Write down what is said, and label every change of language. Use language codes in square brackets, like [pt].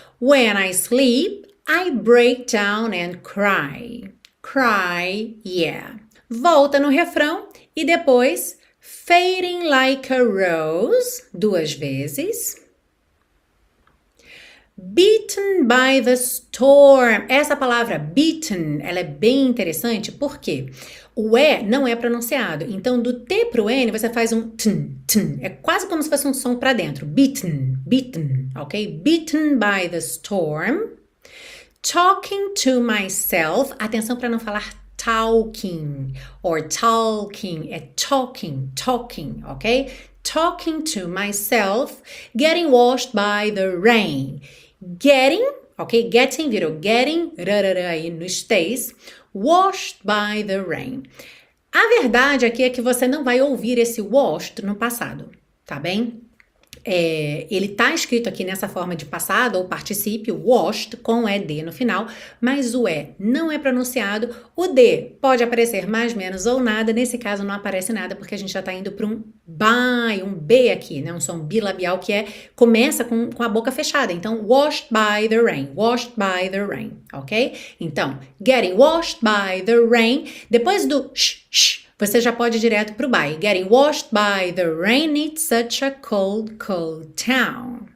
[en] When I sleep, I break down and cry. Cry, yeah. [pt] Volta no refrão e depois [en] fading like a rose, [pt] duas vezes. [en] Beaten by the storm. [pt] Essa palavra, beaten, ela é bem interessante, porque o E não é pronunciado. Então, do T pro N, você faz um tn, tn. É quase como se fosse um som para dentro. [en] Beaten, beaten, ok? Beaten by the storm. Talking to myself. [pt] Atenção para não falar [en] talking, or talking, é talking, talking, ok? Talking to myself, getting washed by the rain. Getting, ok? Getting virou getting, rarara aí no stays, washed by the rain. [pt] A verdade aqui é que você não vai ouvir esse washed no passado, tá bem? É, ele tá escrito aqui nessa forma de passado ou participio, washed, com ED no final, mas o E não é pronunciado. O D pode aparecer mais, menos ou nada, nesse caso não aparece nada, porque a gente já tá indo para um by, um B aqui, né? Um som bilabial que é, começa com a boca fechada. Então, [en] washed by the rain, [pt] washed by the rain, ok? Então, [en] getting washed by the rain, [pt] depois do sh, sh, você já pode ir direto pro by. [en] Getting washed by the rain, it's such a cold, cold town.